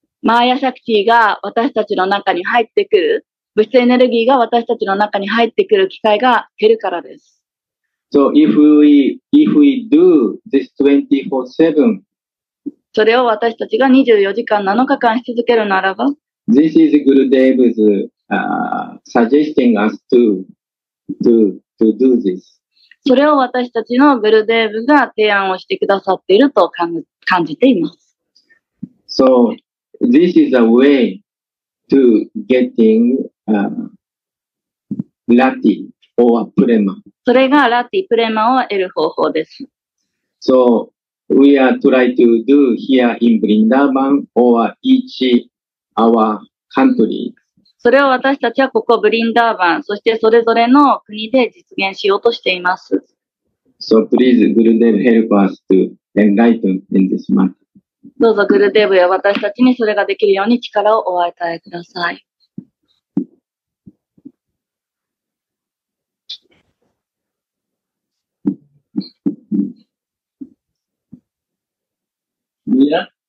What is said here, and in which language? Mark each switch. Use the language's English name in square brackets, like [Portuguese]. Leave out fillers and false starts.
[Japanese] Maya Shakti が私たちの中に入ってくる、物質エネルギーが私たちの中に入ってくる機会が減るからです。 [English] So if we do this 24/7, [Japanese] それを私たちが24時間7日間し続けるならば、 [English] This is Gurudev's suggesting us to do this. [Japanese] それを私たちのグルデーブが提案をしてくださっていると感じています。 [English] So, this is a way to getting ラティ or プレマ。 [Japanese] それがラティ、プレマを得る方法です。 [English] So, we are trying to do here in Vrindavan or each our country. [Japanese] それを私たちはここブリンダーバン、そしてそれぞれの国で実現しようとしています。 [English] So please, Gurudev, help us to enlighten in this matter. [Japanese] どうぞグルデーブや私たちにそれができるように力をお与えください。いや。